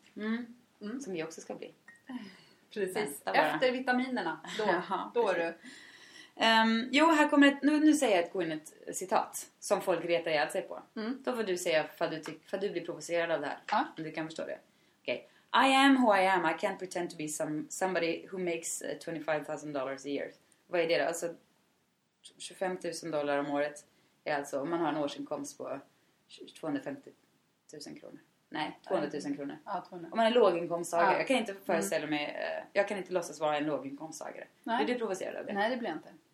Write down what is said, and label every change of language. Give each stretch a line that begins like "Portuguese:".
Swedish: Mm. Mm. Som vi också ska bli. Precis. Efter vitaminerna. Då är du. Jo, här kommer ett... Nu säger jag ett Gwyneth-citat. Som folk retar ihjäl sig på. Mm. Då får du säga för att du blir provocerad av det här. Ja. Om du kan förstå det. Okej.
English: I am who I am. I can't pretend to be somebody who makes $25,000 a year.
Swedish: Vad är det då? Alltså, $25,000 om året är alltså om man har en årsinkomst på 250,000 kronor. Nej, 200,000 kronor. Ja, 200. Om man är låginkomsttagare. Ja. Jag kan inte föreställa mig, jag kan inte låtsas vara en låginkomsttagare. Nej. Är du provocerad av det? Nej, det blir inte.